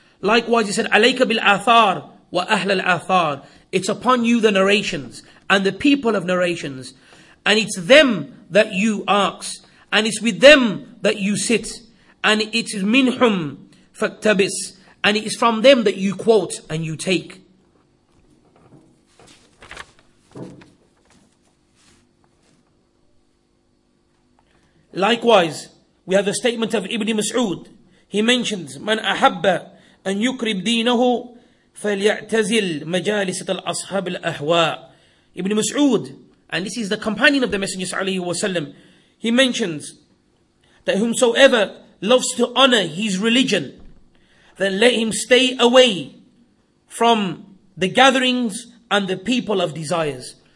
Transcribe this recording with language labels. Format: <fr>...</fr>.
<en>Likewise, he said,</en> <ar>عَلَيْكَ بِالْآثَارِ وَأَهْلَ الْآثَارِ.</ar> <en>It's upon you the narrations and the people of narrations. And it's them that you ask. And it's with them that you sit. And it is</en> <ar>مِنْهُمْ فَاكْتَبِسْ.</ar> <en>And it is from them that you quote and you take. Likewise, we have the statement of Ibn Mas'ud. He mentions,</en> <ar>من أحب أن يقرب دينه فليعتزل مجالس الأصحاب الأهواء.</ar> <en>Ibn Mas'ud, and this is the companion of the Messenger sallallahu alaihi wasallam, he mentions that whomsoever loves to honor his religion, then let him stay away from the gatherings and the people of desires.</en>